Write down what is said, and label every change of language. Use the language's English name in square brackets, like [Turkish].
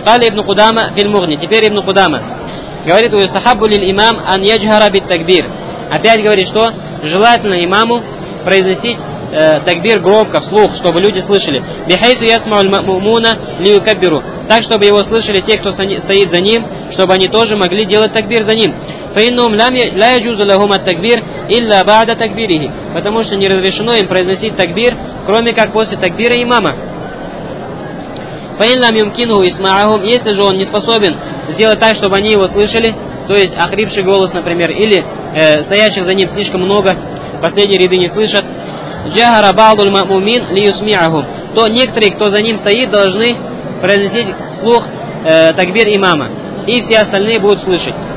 [Arabic] Кали ибн Кудама филь Мугни. [Russian] Теперь ибн Кудама. Говорит, [Arabic] уйстахаббу лиль имам ан яджхара бит такбир. [Russian] Опять говорит, что желательно имаму произносить такбир громко, вслух, чтобы люди слышали. [Arabic] «Бихайсу ясмау аль-мамумуна ли юкаббиру». [Russian] Так, чтобы его слышали те, кто стоит за ним, чтобы они тоже могли делать такбир за ним. [Arabic] فإنهم لا يجوز لهم التكبير إلا بعد تكبيره. [Russian] Потому что не разрешено им произносить такбир, кроме как после такбира имама. [Arabic] فإن لم يمكنه إسماعهم, [Russian] если же он не способен сделать так, чтобы они его слышали, то есть охрипший голос, например, или стоящих за ним слишком много, последние ряды не слышат, [Arabic] جهر بعض المأمومين ليسمعهم, [Russian] то некоторые, кто за ним стоит, должны произнести вслух такбир имама, и все остальные будут слышать.